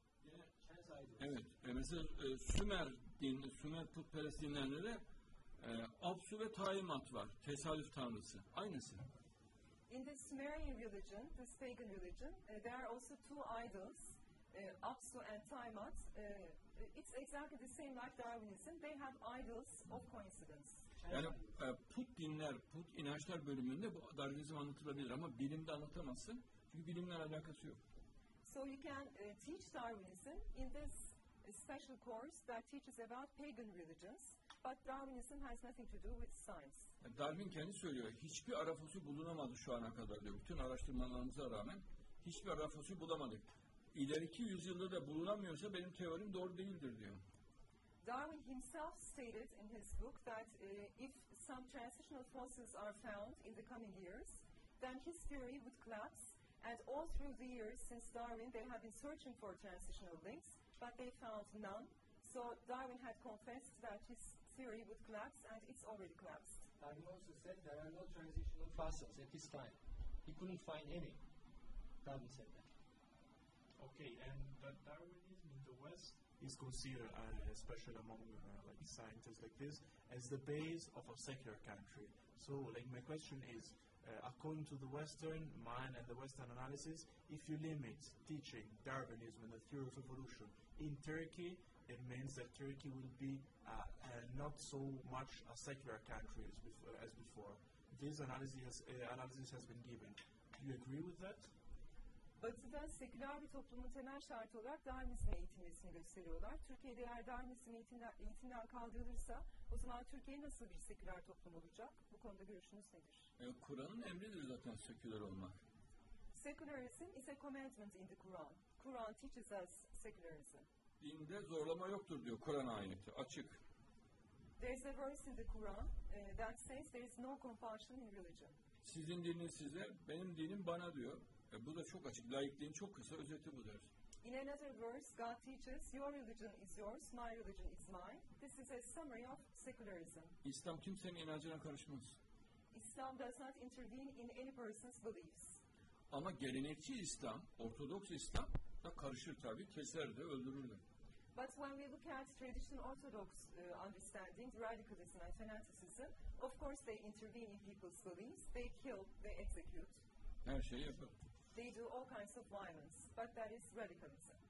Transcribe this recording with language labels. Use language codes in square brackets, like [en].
[tr] Evet. Mesela Sümer din, Sümer putperest dinlerinde de Apsu ve Taimat var. Tesadüf tanrısı. Aynısı. [en] In the Sumerian religion, this pagan religion, there are also two idols, Apsu and Taimat. It's exactly the same like Darwinism. They have idols of coincidence. [tr] Yani put dinler, put inançlar bölümünde bu Darwinizm anlatılabilir ama bilimde anlatamazsın. Çünkü bilimle alakası yok. [en] So you can teach Darwinism in this special course that teaches about pagan religions, but Darwinism has nothing to do with science. [tr] Darwin kendi söylüyor. Hiçbir ara fosil bulunamadı şu ana kadar diyor. Bütün araştırmalarımıza rağmen hiçbir ara fosil bulamadık. İleriki yüzyılda da bulunamıyorsa benim teorim doğru değildir diyor. [en] Darwin himself stated in his book that if some transitional fossils are found in the coming years, then his theory would collapse. And all through the years since Darwin, they have been searching for transitional links, but they found none. So Darwin had confessed that his theory would collapse, and it's already collapsed. Darwin also said there are no transitional fossils at this time. He couldn't find any. Darwin said that. Okay, and but Darwinism in the West is considered, especially among like scientists like this, as the base of a secular country. So, like, my question is, according to the Western mind and the Western analysis, if you limit teaching Darwinism and the theory of evolution in Turkey, it means that Turkey will be not so much a secular country as before. This analysis has been given. Do you agree with that? [tr] Batı'dan seküler bir toplumun temel şartı olarak Darwinizm eğitilmesini gösteriyorlar. Türkiye'de eğer Darwinizm eğitimden kaldırılırsa o zaman Türkiye nasıl bir seküler toplum olacak? Bu konuda görüşünüz nedir? Kur'an'ın emridir zaten seküler olmak. [en] Secularism is a commandment in the Quran. Quran teaches us secularism. [tr] Dinde zorlama yoktur diyor Kur'an ayeti. Açık. [en] There is a verse in the Quran that says there is no compulsion in religion. [tr] Sizin dininiz size, benim dinim bana diyor. Bu da çok açık. Laikliğin çok kısa özeti bu der. [en] In another verse, God teaches, your religion is yours, my religion is mine. This is a summary of secularism. [tr] İslam kimsenin inancına karışmaz. [en] Islam does not intervene in any person's beliefs. [tr] Ama gelenekçi İslam, Ortodoks İslam da karışır tabii, keser de, öldürür de. [en] But when we look at traditional Orthodox understandings, radicalism and fanaticism, of course they intervene in people's beliefs, they kill, they execute. [tr] Her şeyi yapar. [en] They do all kinds of violence, but that is radicalism.